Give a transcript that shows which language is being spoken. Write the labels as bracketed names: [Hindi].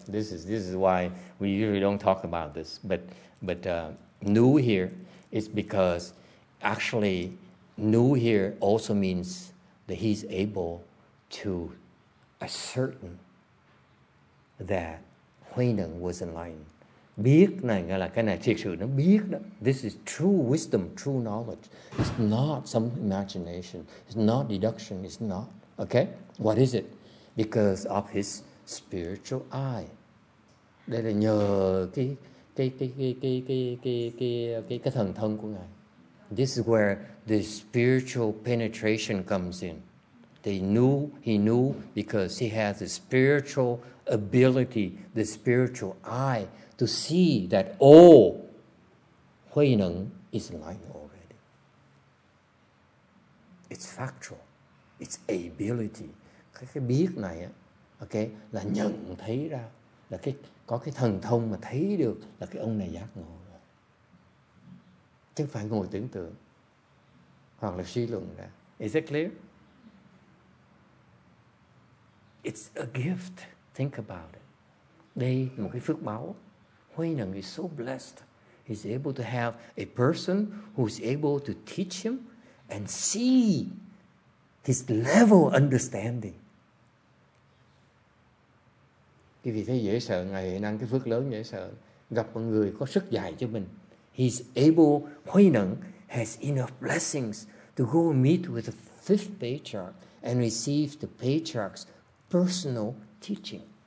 [English] This is why we usually don't talk about this. But new here is because actually new here also means that he's able to ascertain that Huy Năng was enlightened. [Vietnamese] Biết này nghĩa là cái này thiệt sự nó biết đó. [English] This is true wisdom, true knowledge. It's not some imagination. It's not deduction. It's not. Okay? What is it? Because of his spiritual eye. [Vietnamese] Đây là nhờ cái thần thông của Ngài. [English] This is where the spiritual penetration comes in. He knew because he has the spiritual ability, the spiritual eye to see that, oh, Huy Năng is enlightened already. It's factual. It's ability. [Vietnamese] Cái biết này á, okay, là nhận thấy ra, là cái có cái thần thông mà thấy được là cái ông này giác ngộ rồi. Chứ phải ngồi tưởng tượng hoặc là suy luận ra. [English] Is it clear? It's a gift. Think about it. [Vietnamese] Đây là một cái phước báo. [English] Huy Năng is so blessed. He's able to have a person who's able to teach him and see his level of understanding. [Vietnamese] Cái vị thấy dễ sợ, Ngài Huy Năng cái phước lớn dễ sợ. Gặp một người có sức dạy cho mình. [English] He's able, Huy Năng has enough blessings to go meet with the fifth patriarch and receive the patriarch's personal teaching.